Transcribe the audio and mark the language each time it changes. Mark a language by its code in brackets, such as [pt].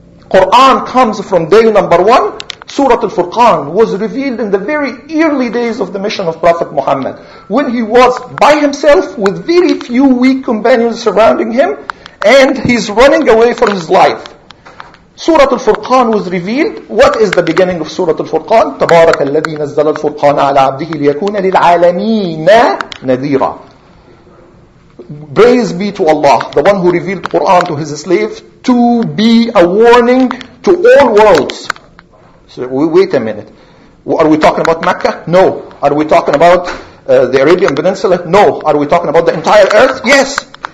[en] Quran comes from day number one. Surah Al-Furqan was revealed in the very early days of the mission of Prophet Muhammad, when he was by himself with very few weak companions surrounding him, and he's running away for his life. Surah Al-Furqan was revealed. What is the beginning of Surah Al-Furqan? [ar] تبارك الذي نزل الفرقان على عبده ليكون للعالمين نذيرا. [en] Praise be to Allah, the one who revealed Quran to his slave, to be a warning to all worlds. So wait a minute. Are we talking about Mecca? No. Are we talking about the Arabian Peninsula? No. Are we talking about the entire earth? Yes.